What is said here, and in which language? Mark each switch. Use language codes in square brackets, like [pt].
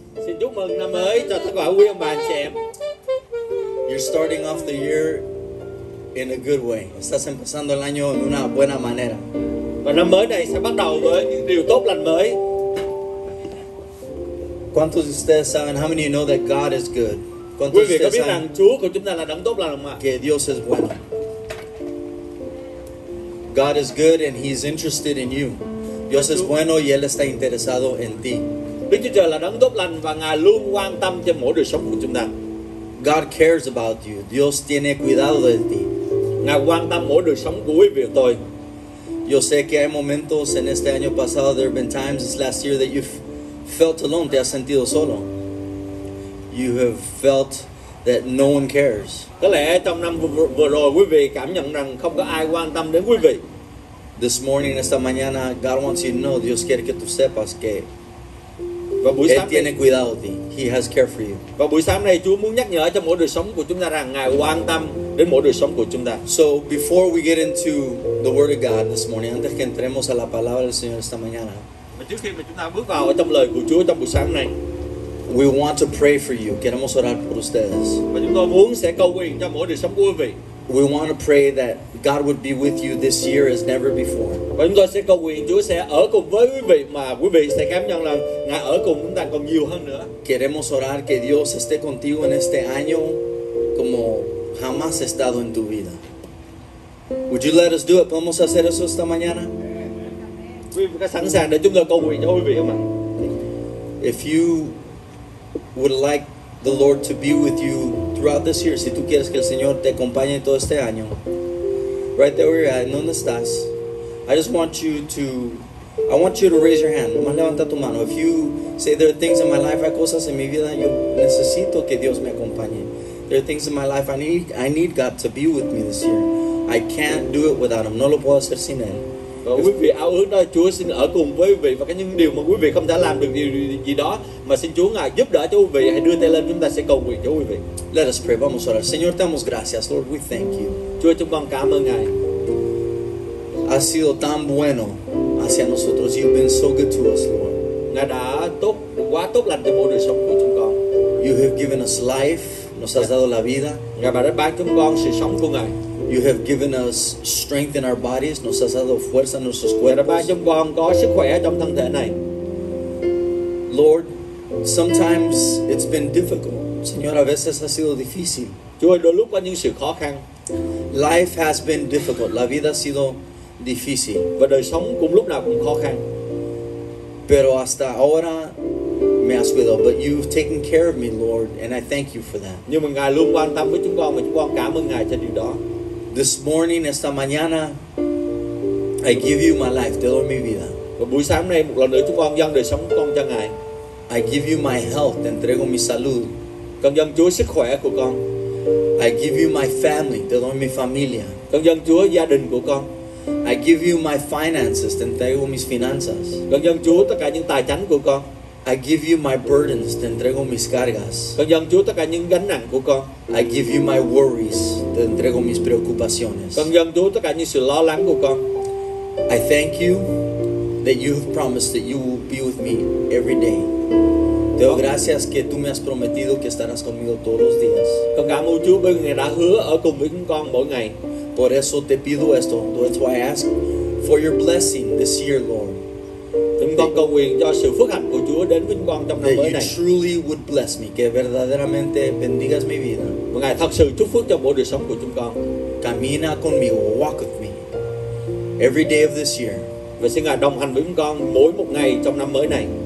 [vi] Xin chúc mừng năm mới cho tất cả quý ông bà anh chị em. [en] You're starting off the year in a good way. [es] Estás empezando el año de una buena manera. [vi] Và năm mới này sẽ bắt đầu với những điều tốt lành mới. [es] ¿Cuántos de ustedes saben? [en] How many of you know that God is good? [es] ¿Cuántos de ustedes saben? [vi] Rằng Chúa của chúng ta là đấng tốt lành không ạ? [es] Que Dios es bueno. [en] God is good and He's interested in you. [es] Dios es bueno y Él está interesado en ti. [vi] Đức Chúa Trời là đấng tốt lành và Ngài luôn quan tâm cho mỗi đời sống của chúng ta. [en] God cares about you. [es] Dios tiene cuidado de ti. [vi] Ngài quan tâm mỗi đời sống của quý vị và tôi. [es] Yo sé que hay momentos en este año pasado, [en] there have been times this last year that you've felt alone, [es] te has sentido solo. [en] You have felt that no one cares. [vi] Có lẽ trong năm vừa rồi quý vị cảm nhận rằng không có ai quan tâm đến quý vị. [en] This morning, [es] esta mañana, [en] God wants you to know, [es] Dios quiere que tú sepas que Él tiene cuidado de ti. [en] He has care for you. [vi] Và buổi sáng này Chúa muốn nhắc nhở cho mỗi đời sống của chúng ta rằng Ngài quan tâm đến mỗi đời sống của chúng ta. [en] So before we get into the Word of God this morning, [es] antes que entremos a la palabra del Señor esta mañana, [vi] trước khi mà chúng ta bước vào trong lời của Chúa trong buổi sáng này, [en] we want to pray for you. [es] Queremos orar por ustedes. [vi] Và chúng tôi muốn sẽ cầu nguyện cho mỗi đời sống của quý vị. [en] We want to pray that God would be with you this year as never before. [vi] Và chúng tôi sẽ cầu nguyện Chúa sẽ ở cùng với quý vị mà quý vị sẽ cảm nhận là Ngài ở cùng chúng ta còn nhiều hơn nữa. [es] Queremos orar que Dios esté contigo en este año como jamás ha estado en tu vida. [en] Would you let us do it? [es] ¿Podemos hacer eso esta mañana? [vi] Quý vị có sẵn sàng để chúng tôi cầu nguyện cho quý vị không ạ? [en] If you would like the Lord to be with you throughout this year, [es] si tú quieres que el Señor te acompañe todo este año, [en] right there where you're at, [es] ¿dónde estás? [en] I want you to raise your hand. [es] Más levanta tu mano. [en] If you say there are things in my life, [es] hay cosas en mi vida, yo necesito que Dios me acompañe. [en] There are things in my life I need God to be with me this year. I can't do it without Him. [es] No lo puedo hacer sin Él. [vi] Quý vị ao ước nói Chúa xin ở cùng với quý vị và những điều mà quý vị không thể làm được điều gì đó mà xin Chúa Ngài giúp đỡ cho quý vị, hãy đưa tay lên, chúng ta sẽ cầu nguyện cho quý vị. [en] Let us pray. [es] Vamos a orar. Señor, te damos gracias. [en] Lord, we thank you. [vi] Chúa, chúng con cảm ơn Ngài. [es] Ha sido tan bueno hacia nosotros. [en] You've been so good to us, Lord. [vi] Ngài đã tốt, quá tốt lành cho mỗi đời sống của chúng con. [en] You have given us life. [es] Nos has dado la vida. [vi] Ngài đã ban chúng con sự sống của Ngài. [en] You have given us strength in our bodies. [es] Nos has dado fuerza en nuestros cuerpos. [vi] Ngài đã ban chúng con có sức khỏe trong thân thể này. [en] Lord, sometimes it's been difficult. [es] Señor, a veces ha sido difícil. [vi] Chúa, đôi lúc có những sự khó khăn. [en] Life has been difficult. [es] La vida ha sido difícil. [vi] Và đời sống cũng lúc nào cũng khó khăn. [es] Pero hasta ahora me has cuidado. [en] But you've taken care of me, Lord, and I thank you for that. [vi] Nhưng mà Ngài luôn quan tâm với chúng con và chúng con cảm ơn Ngài cho điều đó. [en] This morning, [es] esta mañana, [en] I give you my life, [es] te doy mi vida. [vi] Và buổi sáng nay một lần nữa chúng con dâng đời sống con cho Ngài. [en] I give you my health, [es] te entrego mi salud. [vi] Con dâng Chúa sức khỏe của con. [en] I give you my family, [es] te doy mi familia. [vi] Con dâng Chúa gia đình của con. [en] I give you my finances, [es] te entrego mis finanzas. [vi] Con dâng Chúa tất cả những tài chánh của con. [en] I give you my burdens, [es] te entrego mis cargas. [vi] Con dâng Chúa tất cả những gánh nặng của con. [en] I give you my worries, [es] te entrego mis preocupaciones. [vi] Con dâng Chúa tất cả những sự lo lắng của con. [en] I thank you that you have promised that you will be with me every day. [es] Te doy gracias que tú me has prometido que estarás conmigo todos los días. [vi] Con cảm ơn Chúa bởi Ngài đã hứa ở cùng với con mỗi ngày. [es] Por eso te pido esto. [en] That's why I ask for your blessing this year, Lord. [vi] Chúng con cầu nguyện cho sự phước hạnh của Chúa đến với chúng con trong năm mới này. [en] That you truly would bless me. [es] Que verdaderamente bendigas mi vida. [vi] Mà Ngài thật sự chúc phước cho mỗi đời sống của chúng con. [es] Camina conmigo. [en] Walk with me. Every day of this year. [vi] Và xin Ngài đồng hành với chúng con mỗi một ngày trong năm mới này.